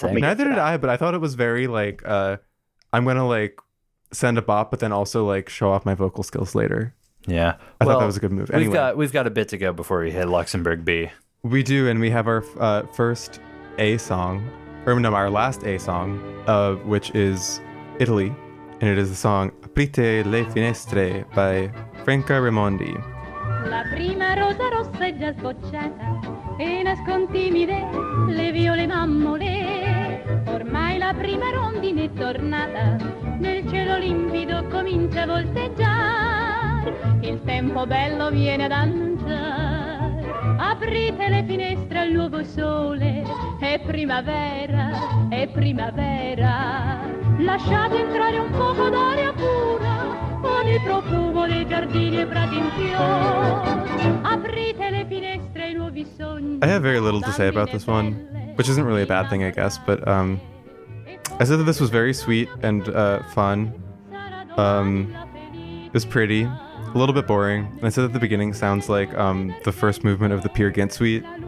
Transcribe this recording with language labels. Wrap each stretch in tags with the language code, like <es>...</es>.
<en>But I thought it was very like, I'm going to like send a bop, but then also like show off my vocal skills later. Yeah. I thought that was a good move. Anyway, we've got a bit to go before we hit Luxembourg B. We do. And we have our first A song, or no, our last A song, which is Italy. And it is the song Aprite le finestre by Franca Raimondi.</en> <it>La prima rosa rossa è già sbocciata e nascontimide le viole mammole. Ormai la prima rondine è tornata, nel cielo limpido comincia a volteggiare. Il tempo bello viene ad annunciare. Aprite le finestre al nuovo sole, è primavera, è primavera. Lasciate entrare un poco d'aria pura con il profumo dei giardini e prati in fior. Aprite le finestre ai nuovi sogni.</it> <en>I have very little to say about this one, which isn't really a bad thing, I guess, but I said that this was very sweet and fun. It was pretty, a little bit boring. And I said that the beginning sounds like the first movement of the Peer Gynt suite.</en>